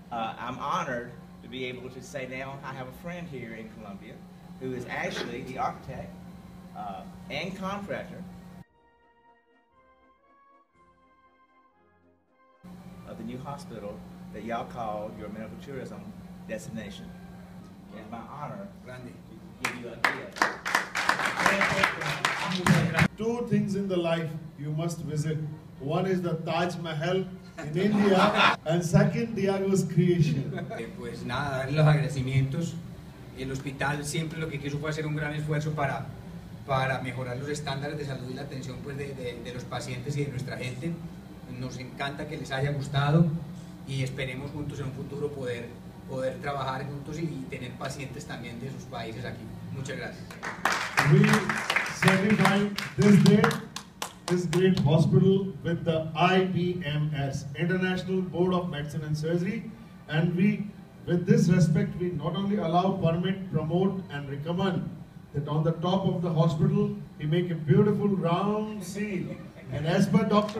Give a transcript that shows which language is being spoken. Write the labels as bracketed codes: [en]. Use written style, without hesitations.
[en] I'm honored to be able to say now I have a friend here in Colombia who is actually the architect and contractor of the new hospital that y'all call your medical tourism destination. It's my honor to give you a gift. Two things in the life you must visit. One is the Taj Mahal in India, and second, Diego's creation. [es] Pues nada, darle los agradecimientos. El hospital siempre lo que quiso fue hacer un gran esfuerzo para mejorar los estándares de salud y la atención pues de los pacientes y de nuestra gente. Nos encanta que les haya gustado y esperemos juntos en un futuro poder trabajar juntos y tener pacientes también de sus países aquí. Muchas gracias. [en] We certifying this day, this great hospital with the IBMS, International Board of Medicine and Surgery. And we, with this respect, we not only allow, permit, promote and recommend that on the top of the hospital, we make a beautiful round seal. And as per Dr.